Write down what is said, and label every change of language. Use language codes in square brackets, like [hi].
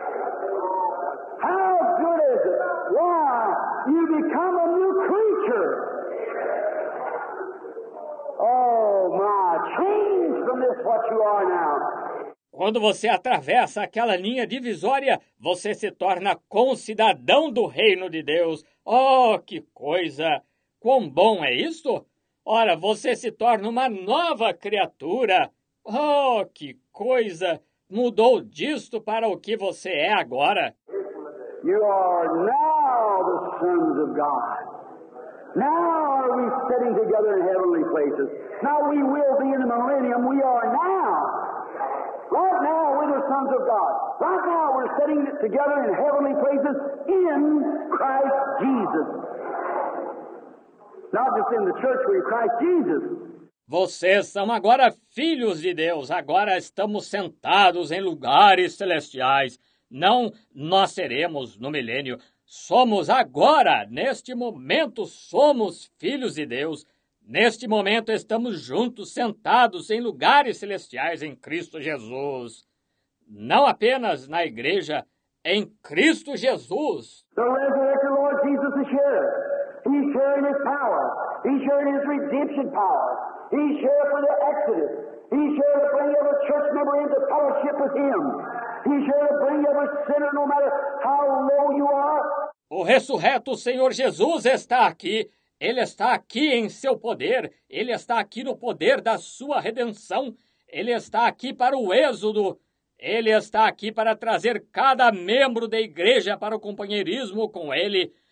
[en] Oh, my. How good is it? Why? You become a new creature. Oh, my, change from this what you are now. [pt] Quando você atravessa aquela linha divisória, você se torna concidadão do reino de Deus. Oh, que coisa! Quão bom é isto? Ora, você se torna uma nova criatura. Oh, que coisa! Mudou disto para o que você é agora. [en] You are now the sons of God. Now are we sitting together in heavenly places. Now we will be in the millennium. We are now. Right now we're the sons of God. Right now we're sitting together in heavenly places in Christ Jesus. Not just in the church, we're Christ Jesus. [pt] Vocês são agora filhos de Deus. Agora estamos sentados em lugares celestiais. Não nós seremos no milênio. Somos agora, neste momento, somos filhos de Deus. Neste momento, estamos juntos, sentados em lugares celestiais em Cristo Jesus. Não apenas na igreja, em Cristo Jesus. [en] The resurrected Lord Jesus is here. He's here in his power. He's here in his redemption power. He's here for the exodus. He's here to bring every church member into fellowship with him. He's here to bring every sinner, no matter how low you are. [pt] O ressurreto Senhor Jesus está aqui. Ele está aqui em seu poder. Ele está aqui no poder da sua redenção. Ele está aqui para o êxodo. Ele está aqui para trazer cada membro da igreja para o companheirismo com ele.